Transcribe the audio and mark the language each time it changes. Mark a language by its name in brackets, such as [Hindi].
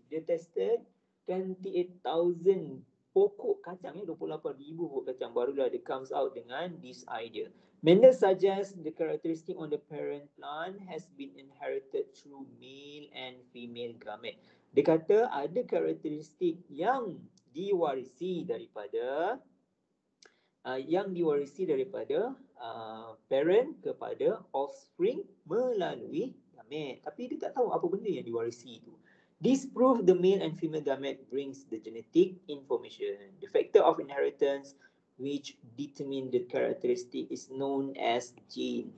[Malay] Dia tested 28,000 pokok kacang ni, 28,000 pokok kacang, barulah dia comes out dengan [English] this idea. Mendel suggests the characteristic on the parent plant has been inherited through male and female gamete. [Malay] Dia kata ada karakteristik yang diwarisi daripada yang diwarisi daripada parent kepada offspring melalui gamet. Tapi dia tak tahu apa benda yang diwarisi itu. [English] This proves the male and female gamet brings the genetic information. The factor of inheritance which determine the characteristic is known as gene.